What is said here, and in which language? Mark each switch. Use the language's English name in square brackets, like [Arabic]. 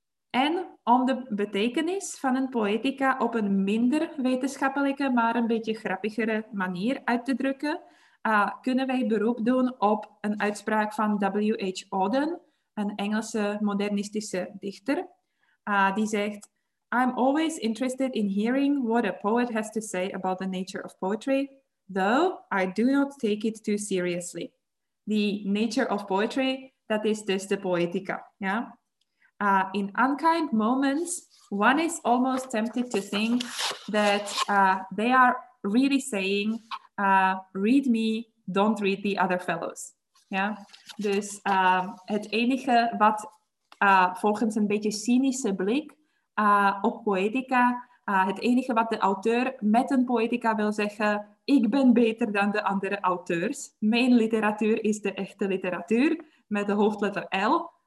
[Dutch] En om de betekenis van een poëtica op een minder wetenschappelijke, maar een beetje grappigere manier uit te drukken, kunnen wij beroep doen op een uitspraak van W.H. Auden, een Engelse modernistische dichter, die zegt: [English] I'm always interested in hearing what a poet has to say about the nature of poetry, though I do not take it too seriously. The nature of poetry, that is just the poetica, yeah? In unkind moments, one is almost tempted to think that they are really saying, read me, don't read the other fellows. [Dutch] Ja, dus het enige wat volgens een beetje cynische blik op poëtica, het enige wat de auteur met een poëtica wil zeggen, ik ben beter dan de andere auteurs. Mijn literatuur is de echte literatuur, met de hoofdletter L.